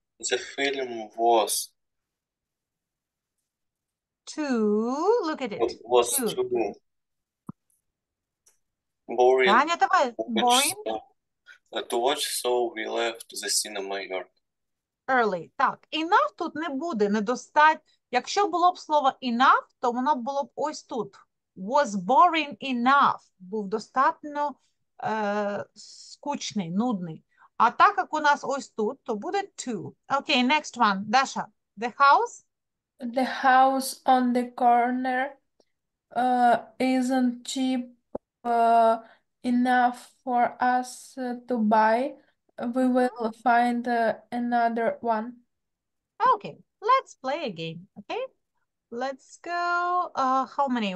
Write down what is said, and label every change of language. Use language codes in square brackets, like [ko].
[en] The film was Look at it. too boring [uk] Таня, давай. Boring. [en] To watch, so we left the cinema early. [uk] Early. Так, enough тут не буде, недостать. Якщо було б слово enough, то воно було б ось тут. [en] Was boring enough. [uk] Був достатньо скучний, нудний. А так як у нас ось тут, то буде two. [en] Okay, next one. Даша, the house? The house on the corner isn't cheap enough for us to buy. We will find another one. Okay, let's play a game. Okay, let's go. How many?